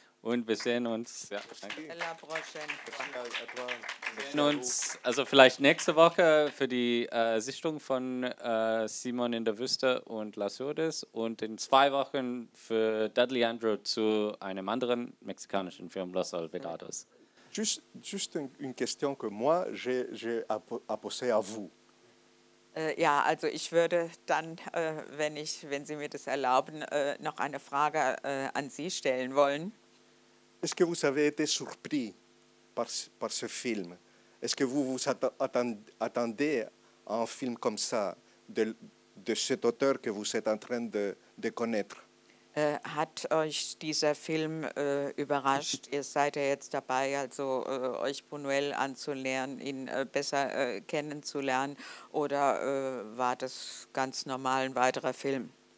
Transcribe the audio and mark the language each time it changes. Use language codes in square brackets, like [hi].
[de] Und wir sehen uns. Ja, danke. Wir sehen uns also vielleicht nächste Woche für die Sichtung von Simon in der Wüste und Las Hurdes und in 2 Wochen für Dudley Andrew zu einem anderen mexikanischen Film, Los Olvidados. [fr] Just une question que moi j'ai apposée à vous. [de] Ja, also ich würde dann, wenn Sie mir das erlauben, noch eine Frage an Sie stellen wollen. [fr] Est-ce que vous avez été surpris par ce film? Est-ce que vous vous attendez à un film comme ça de cet auteur que vous êtes en train de connaître? [de] Hat euch dieser Film überrascht? Ihr seid ja jetzt dabei, also euch Buñuel anzulernen, ihn besser kennenzulernen, oder war das ganz normal ein weiterer Film?